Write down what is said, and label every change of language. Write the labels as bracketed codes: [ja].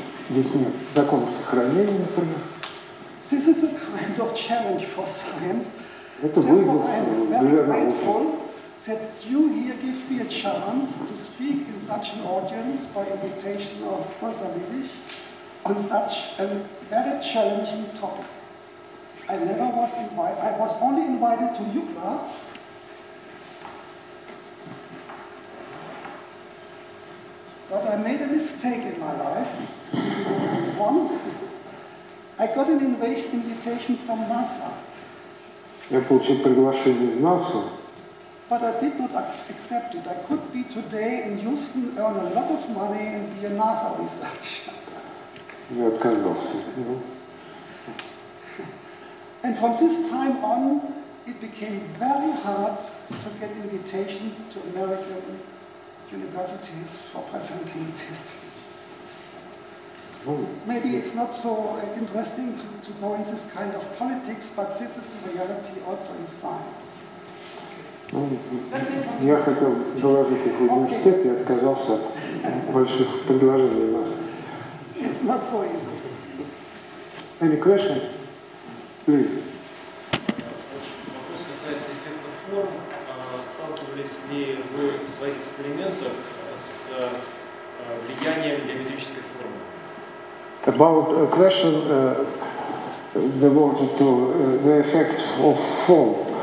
[ru] Здесь нет законов сохранения, например. [en] This is a kind of challenge for science. [ru] Это вызов для науки. [en] That you here give me a chance to speak in such an audience by invitation of Professor Lilich on such a very challenging topic. I never was invited, I was only invited to Jukla. But I made a mistake in my life. One, I got an invitation from NASA. [ru] Я получил приглашение из НАСА. [en] But I did not accept it. I could be today in Houston, earn a lot of money and be a NASA researcher. [ru] Я отказался. [en] And from this time on, it became very hard to get invitations to American universities for presenting this. Maybe it's not so interesting to go in this kind of politics, but this is the reality also in science. [ru] Я хотел заложить их в университет и отказался от больших предложений у вас. [en] It's not so easy. Any questions? Please. [ru] Вопрос касается эффекта форм. Сталкивались ли вы в своих экспериментах с влиянием геометрической формы? [en] About a question devoted to the effect of form.